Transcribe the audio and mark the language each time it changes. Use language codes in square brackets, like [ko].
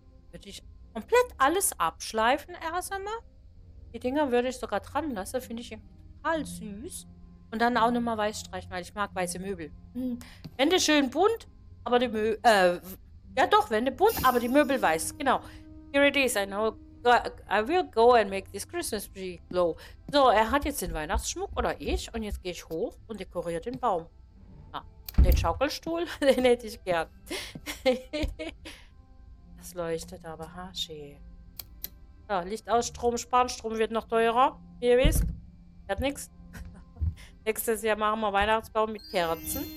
[de] Würde ich komplett alles abschleifen erst einmal. Die Dinger würde ich sogar dran lassen. Finde ich irgendwie total süß. Und dann auch nochmal weiß streichen, weil ich mag weiße Möbel. Wände schön bunt, aber die Möbel. Ja doch, Wände bunt, aber die Möbel weiß. [en] Genau. Here it is. I know. I will go and make this Christmas tree glow. [de] So, er hat jetzt den Weihnachtsschmuck oder ich. Und jetzt gehe ich hoch und dekoriere den Baum. Den Schaukelstuhl, den hätte ich gern. Das leuchtet aber haschi. So, Licht aus, Strom sparen. Strom wird noch teurer, wie ihr wisst. Hat nichts. Nächstes Jahr machen wir Weihnachtsbaum mit Kerzen.